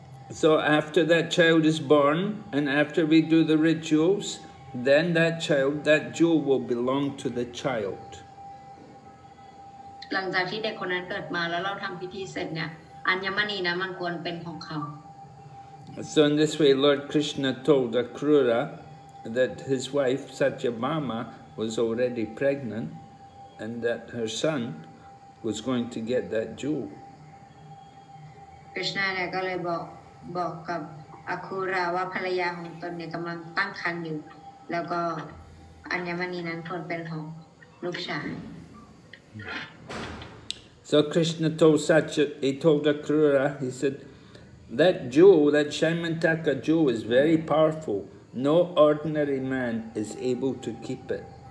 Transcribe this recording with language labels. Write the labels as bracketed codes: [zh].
[en] So after that child is born, and after we do the rituals, then that child, that jewel will belong to the child. [th] หลังจากที่เด็กคนนั้นเกิดมาแล้วเราทำพิธีเสร็จเนี่ยอัญมณีนะมันควรเป็นของเขา [en] So in this way, Lord Krishna told Akrura that his wife Satyabhama was already pregnant, and that her son was going to get that jewel. [th] Krishna เนี่ยก็เลยบอกกับอัคคุระว่าภรรยาของตนเนี่ยกำลังตั้งครรภ์อยู่แล้วก็อัญมณีนั้นควรเป็นของลูกชาย [en] So Krishna told Akrura, he said, that jewel, that Shyamantaka jewel is very powerful. No ordinary man is able to keep it.